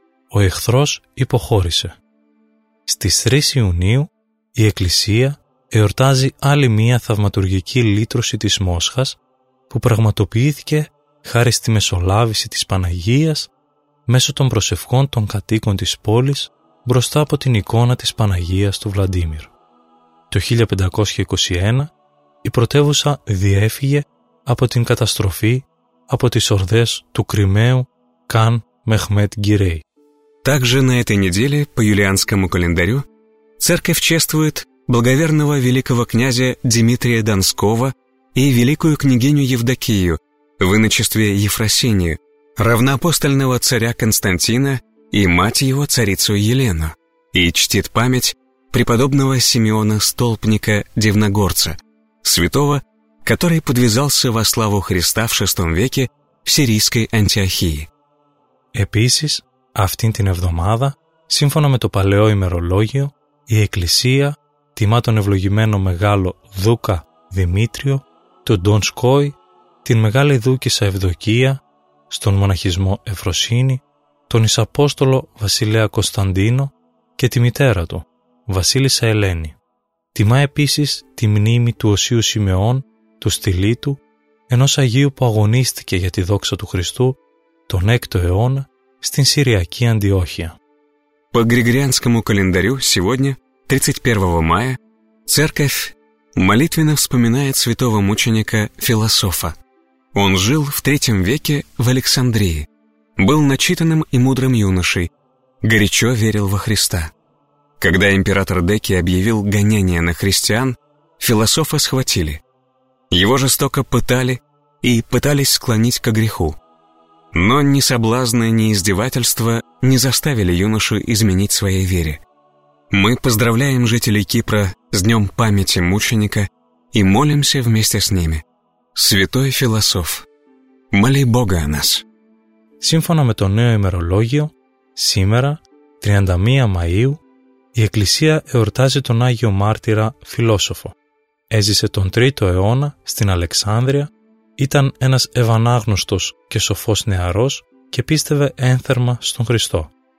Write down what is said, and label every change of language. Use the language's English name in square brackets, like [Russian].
[Greek] Ο εχθρός υποχώρησε. Στις 3 Ιουνίου, η Εκκλησία εορτάζει άλλη μία θαυματουργική λύτρωση της Μόσχας, που πραγματοποιήθηκε χάρη στη μεσολάβηση της Παναγίας μέσω των προσευχών των κατοίκων της πόλης μπροστά από την εικόνα της Παναγίας του Βλαντίμιρ. Το 1521 η πρωτεύουσα διέφυγε από την καταστροφή από τις ορδές του Κρυμαίου Καν Μεχμέτ Γκυρέι. [Russian] Также на этой неделе по юлианскому календарю церковь чествует благоверного великого князя Дмитрия Донского и великую княгиню Евдокию в иночестве Ефросинию, равноапостольного царя Константина и мать его царицу Елену, и чтит память преподобного Симеона Столпника Дивногорца, святого, который подвязался во славу Христа в VI веке в сирийской Антиохии. [Greek] Επίσης, αυτήν την εβδομάδα, σύμφωνα με το παλαιό ημερολόγιο, η Εκκλησία τιμά τον ευλογημένο μεγάλο Δούκα Δημήτριο, τον Ντον Σκόι, την μεγάλη Δούκησα Ευδοκία, στον μοναχισμό Ευφροσύνη, τον Ισαπόστολο Βασιλέα Κωνσταντίνο και τη μητέρα του, Βασίλισσα Ελένη. Τιμά επίσης τη μνήμη του Οσίου Σιμεών, του Στυλίτου, ενός Αγίου που αγωνίστηκε για τη δόξα του Χριστού τον 6ο αιώνα στην Συριακή Αντιόχεια. [Russian] По Григорианскому календарю сегодня, 31 мая, церковь молитвенно вспоминает святого мученика Философа. Он жил в III веке в Александрии, был начитанным и мудрым юношей, горячо верил во Христа. Когда император Деки объявил гонения на христиан, философа схватили. Его жестоко пытали и пытались склонить ко греху. Но ни соблазны, ни издевательства не заставили юношу изменить своей вере. Мы поздравляем жителей Кипра с днем памяти мученика и молимся вместе с ними. Святой философ, моли Бога о нас. [Greek] Σύμφωνα με το νέο ημερολόγιο, σήμερα, 31 Μαΐου, η Εκκλησία εορτάζει τον Άγιο Μάρτυρα Φιλόσοφο. Έζησε τον 3ο αιώνα στην Αλεξάνδρεια, ήταν ένας ευανάγνωστος και σοφός νεαρός και πίστευε ένθερμα στον Χριστό.